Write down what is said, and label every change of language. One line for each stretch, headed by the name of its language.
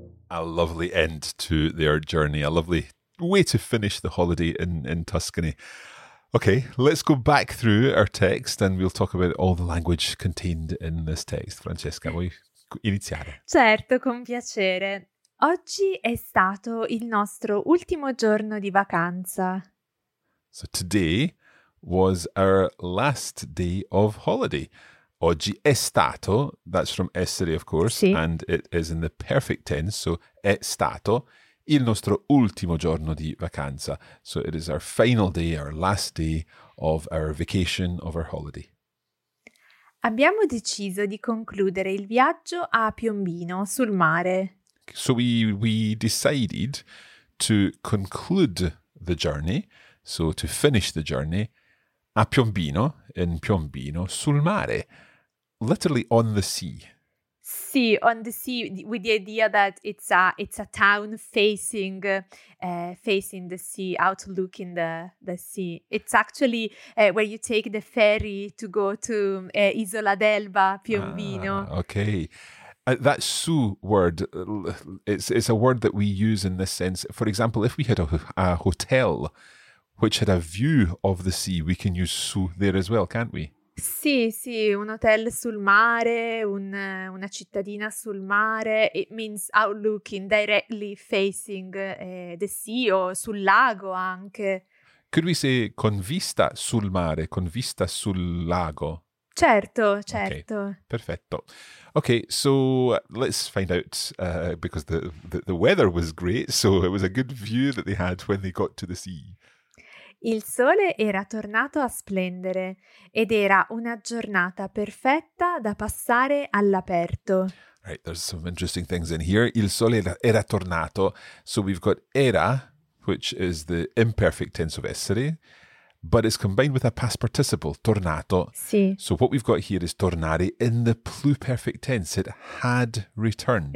English: A lovely end to their journey, a lovely way to finish the holiday in Tuscany. Okay, let's go back through our text and we'll talk about all the language contained in this text.
Italian: Francesca, vuoi iniziare? Certo, con piacere. Oggi è stato il nostro ultimo giorno di vacanza.
English: So today was our last day of holiday.
Italian: Oggi è stato,
English: that's from essere, of course,
Italian: sì.
English: And it is in the perfect tense, so
Italian: è stato il nostro ultimo giorno di vacanza.
English: So it is our final day, our last day of our vacation, of our holiday.
Italian: Abbiamo deciso di concludere il viaggio a Piombino sul mare.
English: So we decided to conclude the journey, so to finish the journey a Piombino, in Piombino
Italian: sul mare,
English: literally on the sea. Sì, on the sea, with the idea that it's a town facing facing the sea, outlooking the sea. It's actually where you take the ferry to go to Isola d'Elba, Piombino. Ah, okay. That su word, it's a word that we use in this sense. For example, if we had a hotel which had a view of the sea, we can use su there as well, can't we?
Italian: Sì, sì, un hotel sul mare, una cittadina sul mare.
English: It means outlooking, directly facing the sea
Italian: o sul lago anche.
English: Could we say
Italian: con vista sul mare, con vista sul lago? Certo, certo. Okay, perfetto.
English: Okay, so let's find out, because the weather was great, so it was a good view that they had when they got to the sea.
Italian: Il sole era tornato a splendere ed era una giornata perfetta da passare all'aperto.
English: Right, there's some interesting things in here.
Italian: Il sole era tornato.
English: So we've got era, which is the imperfect tense of essere, but it's combined with a past participle, tornato.
Italian: Sì.
English: So what we've got here is tornare in the pluperfect tense. It had returned.